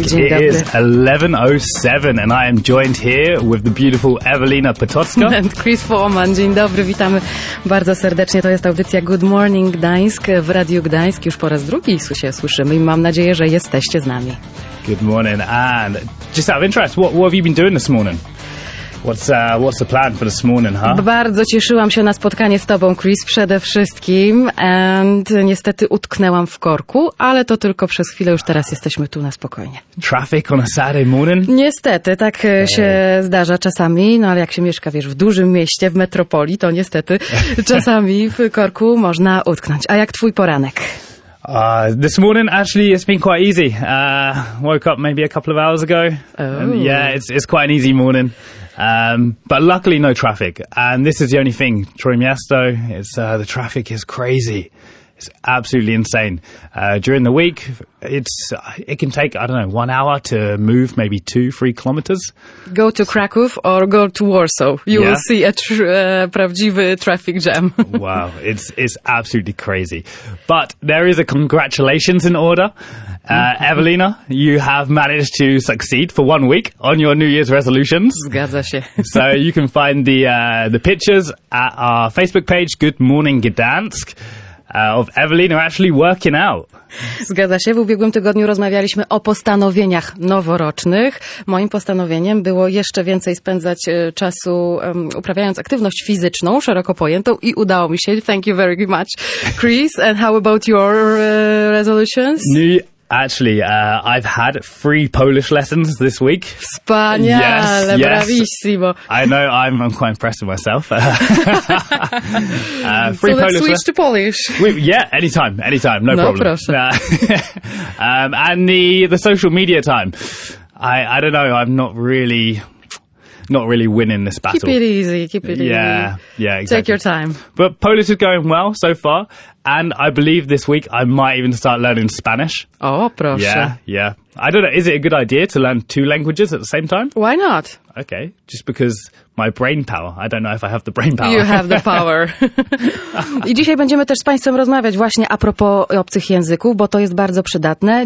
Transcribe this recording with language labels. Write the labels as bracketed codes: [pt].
[en] It is 11:07 and I am joined here with the beautiful Evelina Potocka and Chris Foreman. [pl] Dzień dobry, witamy bardzo serdecznie. To jest audycja Good Morning Gdańsk w Radiu Gdańsk. Już po raz drugi słyszymy i mam nadzieję, że jesteście z nami. [en] Good morning. And just out of interest, what have you been doing this morning? What's the plan for this morning, huh? [pl] Bardzo cieszyłam się na spotkanie z tobą, Chris, przede wszystkim. And niestety utknęłam w korku, ale to tylko przez chwilę, już teraz jesteśmy tu na spokojnie. [en] Traffic on a Saturday morning? [pl] Niestety, tak się zdarza czasami, no ale jak się mieszka, wiesz, w dużym mieście, w metropolii, to niestety czasami w korku można utknąć. A jak twój poranek? [en] This morning, actually, it's been quite easy. Woke up maybe a couple of hours ago. And yeah, it's quite an easy morning. But luckily no traffic, and this is the only thing. Trójmiasto, the traffic is crazy. It's absolutely insane. During the week, it can take, I don't know, 1 hour to move maybe 2-3 kilometers. Go to Kraków or go to Warsaw. You will see a prawdziwy traffic jam. Wow, it's absolutely crazy. But there is a congratulations in order. Evelina, you have managed to succeed for 1 week on your New Year's resolutions. [pl] Zgadza się. [en] So you can find the pictures at our Facebook page, Good Morning Gdansk. Of Evelina actually working out. [pl] Zgadza się, w ubiegłym tygodniu rozmawialiśmy o postanowieniach noworocznych. Moim postanowieniem było jeszcze więcej spędzać czasu uprawiając aktywność fizyczną, szeroko pojętą, i udało mi się. [en] Thank you very much, Chris. And how about your resolutions? Actually, I've had 3 Polish lessons this week. [pl] Wspaniale, [en] yes, [it] bravissimo. [en] I know, I'm quite impressed with myself. Switch to Polish. Anytime, no problem. [pl] Proszę. [en] And the social media time. I don't know, I'm not really winning this battle. Keep it easy. Yeah, exactly. Take your time. But Polish is going well so far. And I believe this week I might even start learning Spanish. [pl] Oh, proszę. [en] Yeah. I don't know, is it a good idea to learn 2 languages at the same time? Why not? Okay, just because my brain power. I don't know if I have the brain power. You have the power. [pl] I dzisiaj będziemy też z Państwem rozmawiać właśnie a propos obcych języków, bo to jest bardzo przydatne.